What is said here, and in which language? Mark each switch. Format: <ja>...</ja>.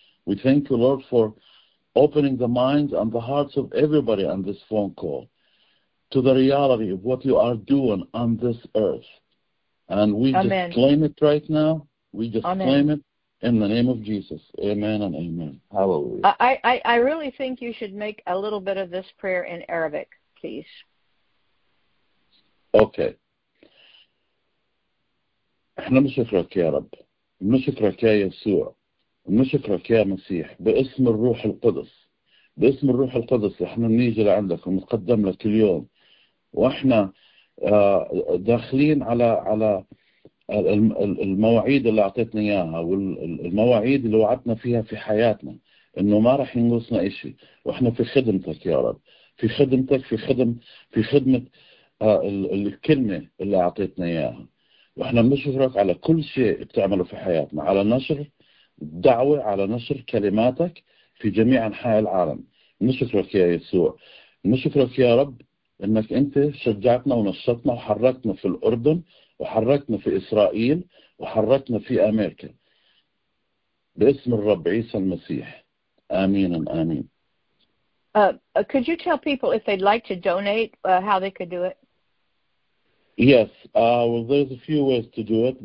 <en>We thank you, Lord, for opening the minds and the hearts of everybody on this phone call to the reality of what you are doing on this earth. And we amen. Just claim it right now. We just amen. Claim it in the name of Jesus. Amen and amen. Hallelujah. I really think you should make a little bit of this prayer in Arabic, please. Okay.</en> <ar>احنا بنشكرك يا رب بنشكرك يا يسوع بنشكرك يا مسيح باسم الروح القدس باسم الروح القدس احنا بنيجي لعندك ونتقدم لك اليوم واحنا داخلين على المواعيد اللي اعطيتنا اياها والمواعيد اللي وعدتنا فيها في حياتنا انه ما راح ينقصنا شيء واحنا في خدمتك يا رب في خدمتك في خدمه الكلمه اللي اعطيتنا اياها واحنا بنشكرك على كل شيء بتعمله في حياتنا على نشر دعوه على نشر كلماتك في جميع انحاء العالم بنشكرك يا يسوع بنشكرك يا رب انك انت شجعتنا ونشطنا وحركتنا في الاردن وحركتنا في اسرائيل وحركتنا في امريكا باسم الرب عيسى المسيح. امين امين.</ar> <en>Could you tell people if they'd like to donate how they could do it? Yes, well, there's a few ways to do it.</en>